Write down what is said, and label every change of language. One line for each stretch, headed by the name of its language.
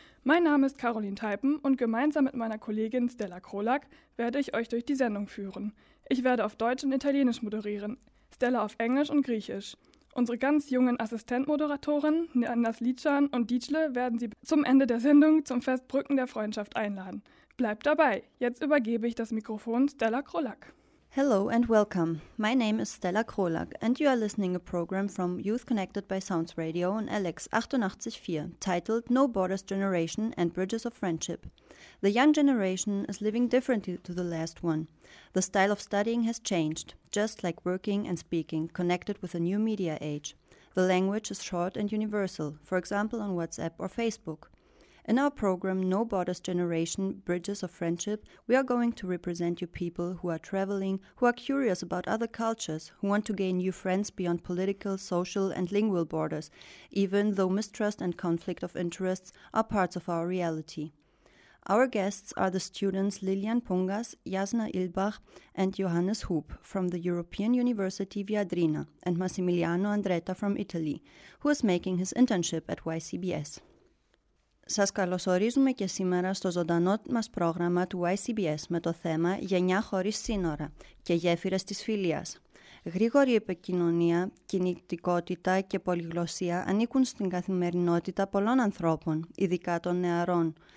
German: Mein Name ist Caroline Teipen und gemeinsam mit meiner Kollegin Stella Krolak werde ich euch durch die Sendung führen. Ich werde auf Deutsch und Italienisch moderieren, Stella auf Englisch und Griechisch. Unsere ganz jungen Assistentmoderatorinnen, Nandas Lidschan und Dietschle, werden Sie zum Ende der Sendung zum Fest Brücken der Freundschaft einladen. Bleibt dabei! Jetzt übergebe ich das Mikrofon Stella Krolak.
English: Hello and welcome. My name is Stella Krolak and you are listening a program from Youth Connected by Sounds Radio on LX 88.4, titled No Borders Generation and Bridges of Friendship. The young generation is living differently to the last one. The style of studying has changed, just like working and speaking connected with a new media age. The language is short and universal, for example on WhatsApp or Facebook. In our program No Borders Generation, Bridges of Friendship, we are going to represent you people who are traveling, who are curious about other cultures, who want to gain new friends beyond political, social and lingual borders, even though mistrust and conflict of interests are parts of our reality. Our guests are the students Lilian Pungas, Jasna Ilbach and Johannes Hoop from the European University Viadrina and Massimiliano Andretta from Italy, who is making his internship at YCBS.
Greek: Σας καλωσορίζουμε και σήμερα στο ζωντανό μας πρόγραμμα του YCBS με το θέμα «Γενιά χωρίς σύνορα και γέφυρες της φιλίας». Γρήγορη επικοινωνία, κινητικότητα και πολυγλωσία ανήκουν στην καθημερινότητα πολλών ανθρώπων, ειδικά των νεαρών.